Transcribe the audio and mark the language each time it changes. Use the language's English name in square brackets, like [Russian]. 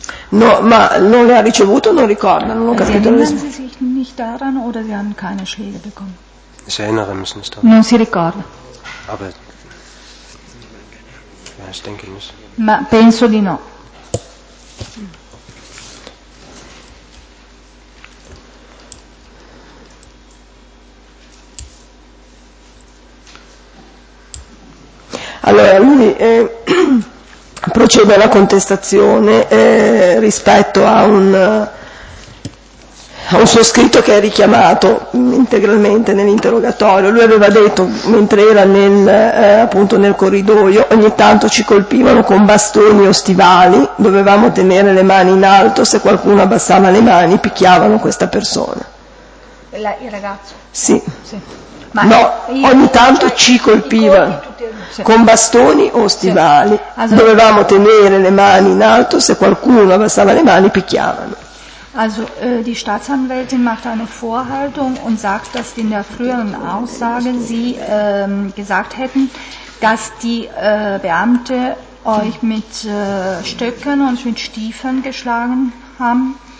[Italian] No, ma non le ha ricevuto, non ricorda, non ho capito. [German] Erinnern Sie sich nicht daran oder Sie haben keine Schläge bekommen? Ich erinnere mich nicht daran. [Italian] Non si ricorda. [German] Aber, ja, ich denke nicht. [Italian] Ma penso di no. Allora lui procede alla contestazione rispetto a un suo scritto che è richiamato integralmente nell'interrogatorio. Lui aveva detto, mentre era appunto nel corridoio, ogni tanto ci colpivano con bastoni o stivali, dovevamo tenere le mani in alto, se qualcuno abbassava le mani picchiavano questa persona. Il ragazzo? Sì. No, ogni tanto ci colpiva con bastoni o stivali. Dovevamo tenere le mani in alto, se qualcuno abbassava le mani picchiavano. [German] Also die Staatsanwältin macht eine Vorhaltung und sagt, dass in der früheren Aussage sie gesagt hätten, dass die Beamte euch mit Stöcken und mit Stiefeln geschlagen haben.